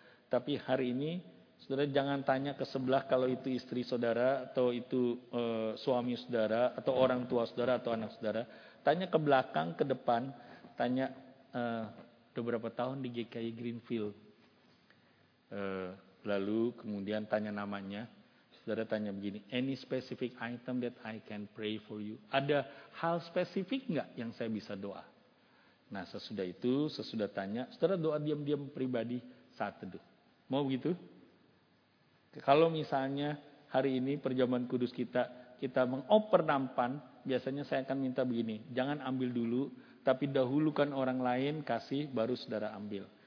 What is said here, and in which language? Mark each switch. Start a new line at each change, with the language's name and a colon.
Indonesian: Tapi hari ini saudara jangan tanya ke sebelah kalau itu istri saudara atau itu suami saudara atau orang tua saudara atau anak saudara. Tanya ke belakang, ke depan. Tanya udah berapa tahun di GKI Greenfield. Lalu kemudian tanya namanya. Saudara tanya begini,
English: any specific item that I can pray for you?
Indonesian: Ada hal spesifik enggak yang saya bisa doa? Nah sesudah itu, sesudah tanya, saudara doa diam-diam pribadi saat teduh. Mau begitu? Kalau misalnya hari ini perjamuan kudus kita, kita mengoper nampan, biasanya saya akan minta begini, jangan ambil dulu, tapi dahulukan orang lain, kasih, baru saudara ambil.